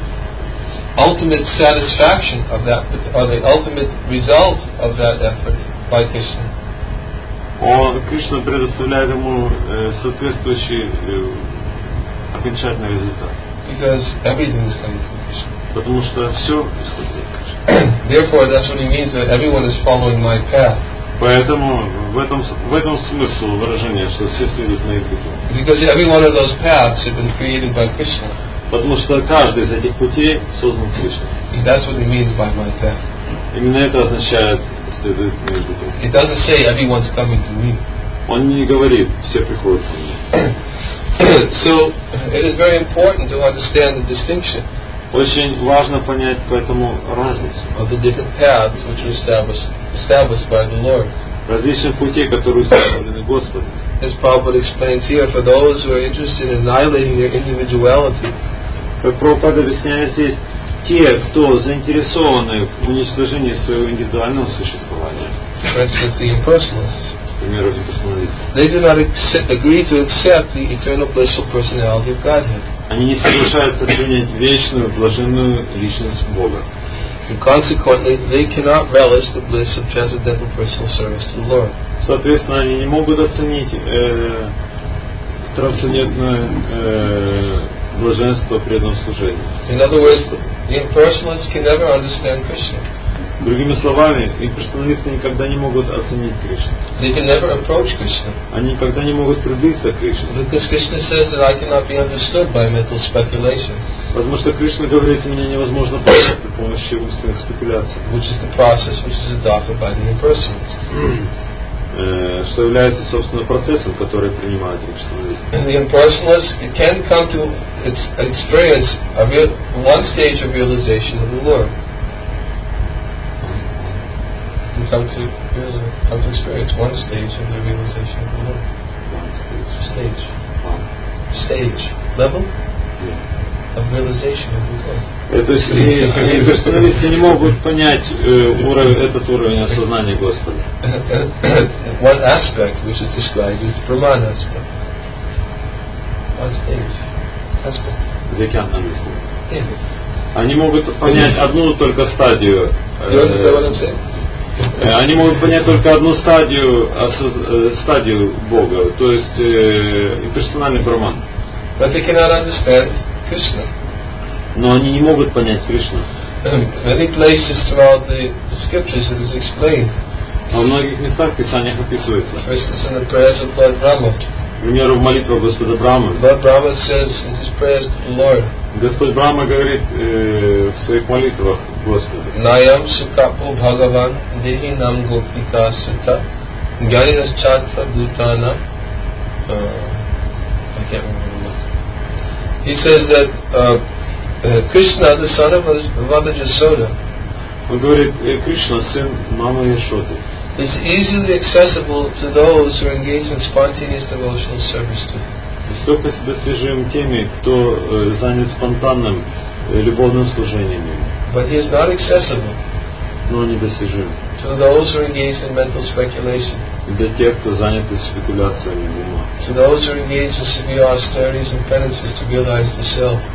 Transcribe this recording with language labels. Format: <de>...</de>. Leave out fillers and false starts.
<en>he's getting the ultimate satisfaction of that, or the ultimate result of that effort by Krishna.</en> <ru>Кришна предоставляет ему соответствующий окончательный результат.</ru> <en>Because everything is coming from Krishna.</en> <ru>Потому что все исходит от Кришны.</ru> <en>Therefore, that's what he means that everyone is following my path.</en> <ru>Поэтому в этом смысл выражения, что все следуют моим путем.</ru> <en>Because every one of those paths have been created by Krishna.</en> <ru>Потому что каждый из этих путей создан Кришной.</ru> <en>That's what he means by my path.</en> <ru>Именно это означает следует моим путем.</ru> <en>He doesn't say everyone's coming to me.</en> <ru>Он не говорит, все приходят ко мне.</ru> <en>So it is very important to understand the distinction.</en> <ru>Очень важно понять поэтому разницу.</ru> <en>Of the different paths which were established by the Lord.</en> <ru>Различных путей, которые установлены Господом.</ru> <en>As Prabhupada explains here, for those who are interested in annihilating their individuality.</en> <ru>Как Прабхупада объясняет здесь, те, кто заинтересованы в уничтожении своего индивидуального существования.</ru> <en>For instance, the impersonalists.</en> <ru>Например, имперсоналисты.</ru> <en>They do not agree to accept the eternal blissful personality of Godhead.</en> <ru>Они не соглашаются принять вечную блаженную личность Бога.</ru> <en>And consequently, they cannot relish the bliss of transcendental personal service to the Lord.</en> <ru>Соответственно, они не могут оценить трансцендентную блаженство преданного служения.</ru> <en>In other words, the impersonalists can never understand Krishna.</en> <ru>Другими словами, имперсоналисты никогда не могут оценить Кришну.</ru> <en>They can never approach Krishna.</en> <ru>Они никогда не могут приблизиться к Кришне.</ru> <en>Because Krishna says that I cannot be understood by mental speculation.</en> <ru>Потому что Кришна говорит, меня невозможно понять при помощи умственных спекуляций.</ru> <en>Which is the process which is adopted by the impersonalists.</en> <ru>Что является собственно процессом, который принимает имперсоналисты.</ru> <en>And the impersonalists can come to experience a real, one stage of realization of the Lord. Come to experience one stage of the realization of the Lord. One stage. Level? Yeah. Of realization of the Lord.</en> <ru>То есть имперсоналисты не могут понять этот уровень осознания Господа.</ru> <en>One aspect which is described is the Brahman aspect. One stage. Aspect.</en> <ru>Викян на английском.</ru> <en>Yeah.</en> <ru>Они могут понять одну только стадию.</ru> <en>You understand what I'm saying?</en> <ru>Они могут понять только одну стадию, стадию Бога, то есть имперсональный Брахман.</ru> <en>But they cannot understand Krishna.</en> <ru>Но они не могут понять Кришну.</ru> <en>Many places throughout the scriptures it is explained.</en> <ru>Во многих местах Писания описывается.</ru> <en>For instance, in the prayers of Lord Brahma.</en> <ru>Например, в молитве Господа Брахмы.</ru> <en>Lord Brahma says in his prayers to the Lord.</en> <ru>Господь Брахма говорит в своих молитвах Господу.</ru> <sa>Наям сукапу Бхагаван дехи нам гопика сита гьянинас чатра бутана.</sa> <en>I can't remember what. He says that Krishna, the son of Mother Yashoda.</en> <ru>Он говорит, Кришна, сын мамы Яшоды.</ru> <en>Is easily accessible to those who are engaged in spontaneous devotional service to him.</en> <ru>Доступен достижим теми, кто занят спонтанным любовным служением.</ru> <en>But he is not accessible.</en> <ru>Но недостижим.</ru> <en>To those who are engaged in mental speculation.</en> <ru>Для тех, кто занят спекуляциями ума.</ru> <en>To those who are engaged in severe austerities and penances to realize the self.</en>